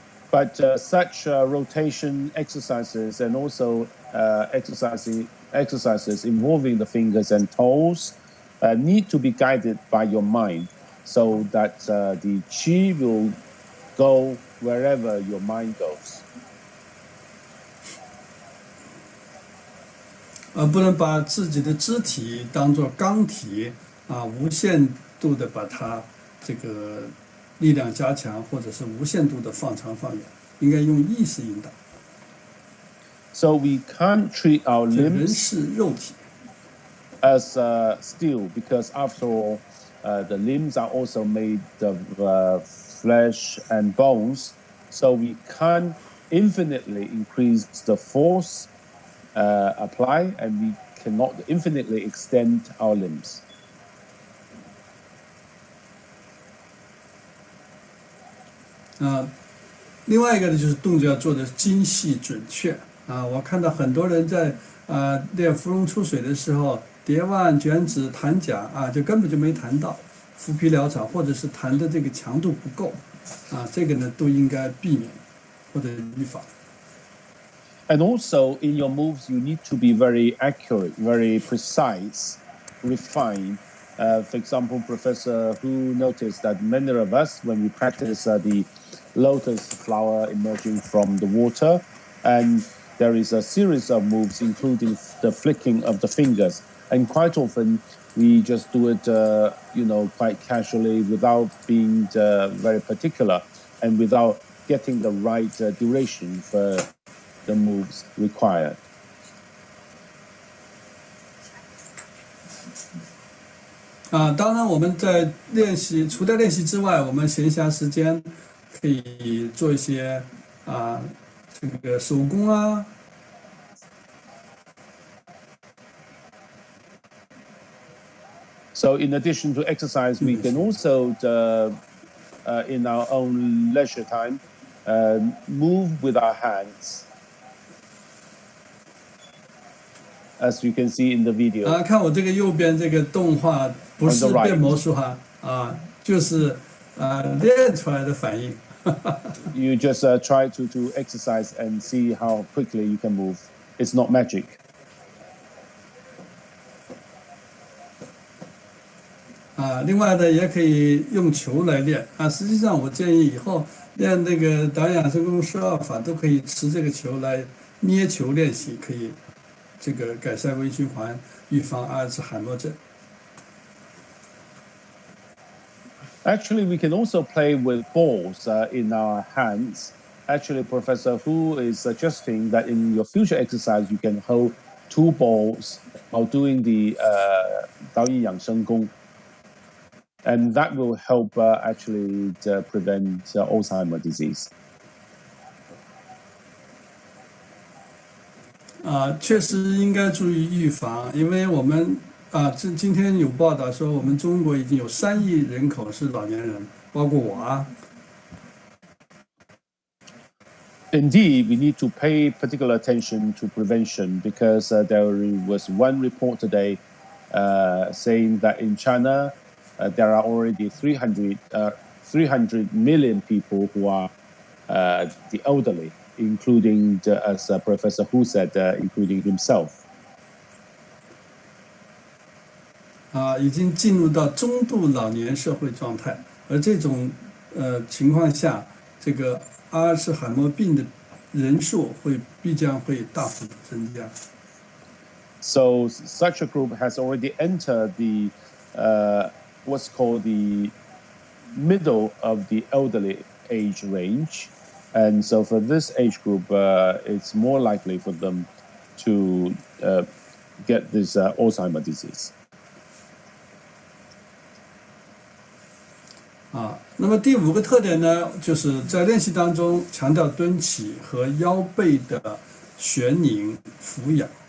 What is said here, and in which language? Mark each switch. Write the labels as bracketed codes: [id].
[en] But such rotation exercises and also exercises involving the fingers and toes need to be guided by your mind so that the qi will go wherever your mind goes. [zh] 不能把自己的肢体当作钢体无限度的把它这个力量加强或者是无限度的放长放远应该用意识引导。 [en] So we can't treat our limbs [zh] 人是肉体 [en] as steel because after all, the limbs are also made of flesh and bones, so we can infinitely increase the force apply, and we cannot infinitely extend our limbs. [zh] 另外一个呢就是动作要做的精细准确我看到很多人在练芙蓉出水的时候叠腕卷指弹桨就根本就没弹到浮皮潦草或者是弹的这个强度不够这个呢都应该避免或者预防 [en] And also in your moves you need to be very accurate, very precise, refined for example, Professor Hu noticed that many of us when we practice the lotus flower emerging from the water and there is a series of moves including the flicking of the fingers and quite often we just do it, you know, quite casually without being very particular and without getting the right duration for the moves required. [zh] 当然我们在练习除了练习之外我们闲暇时间可以做一些这个手工啊 [en] So in addition to exercise, we can also, in our own leisure time, move with our hands, as you can see in the video. [zh] 看我这个右边这个动画不是变魔术哈，就是练出来的反应。 [en] You just try to exercise and see how quickly you can move. It's not magic. [zh] 另外呢也可以用球来练实际上我建议以后练那个导演生功十二法都可以持这个球来捏球练习可以这个改善微循环预防阿尔茨海默症 [en] Actually we can also play with balls in our hands Actually Professor Hu is suggesting that in your future exercise you can hold two balls while doing the 导演养生功And that will help actually to prevent Alzheimer's disease. [zh] 确实应该注意预防，因为我们今天有报道说我们中国已经有三亿人口是老年人，包括我 [en] Indeed, we need to pay particular attention to prevention because there was one report today saying that in China. There are already 300 million people who are the elderly, including, the, as Professor Hu said, including himself. [zh] 已经进入到中度老年社会状态，而这种情况下，这个阿尔茨海默病的人数必将会大幅增加。 [en] So such a group has already entered the what's called the middle of the elderly age range. And so for this age group, it's more likely for them to get this Alzheimer's disease. [zh] 啊，那么第五个特点呢，就是在练习当中强调蹲起和腰背的旋拧俯仰。